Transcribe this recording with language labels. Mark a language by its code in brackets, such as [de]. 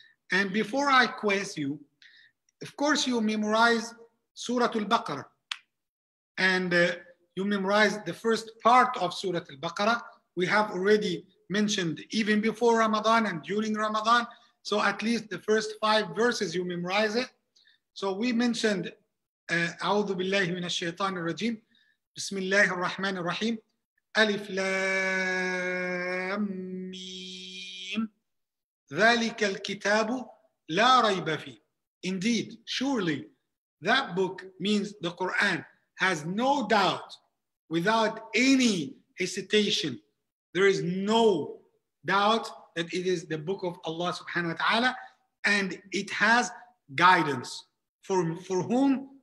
[en] And before I quiz you, of course you memorize Surat Al-Baqarah, and you memorize the first part of Surat Al-Baqarah. We have already mentioned even before Ramadan and during Ramadan. So at least the first five verses you memorize it. So we mentioned [ar] أعوذ بالله من الشيطان الرجيم بسم الله الرحمن الرحيم ألف لام ميم ذلك الكتاب لا ريب فيه. [en] Indeed, surely that book, means the Quran, has no doubt, without any hesitation, there is no doubt that it is the book of Allah subhanahu wa ta'ala, and it has guidance for whom?